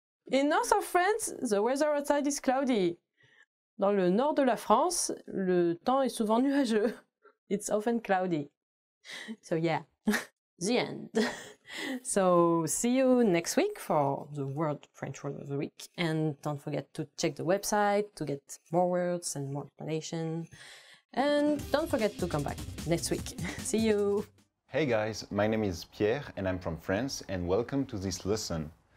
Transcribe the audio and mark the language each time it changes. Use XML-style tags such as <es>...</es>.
<en>In north of France, the weather outside is cloudy.</en> <fr>Dans le nord de la France, le temps est souvent nuageux.</fr> <en>It's often cloudy. So yeah. The end. So, see you next week for the World French Word of the Week. And don't forget to check the website to get more words and more explanation. And don't forget to come back next week. See you. Hey guys, my name is Pierre and I'm from France. And welcome to this lesson.</en>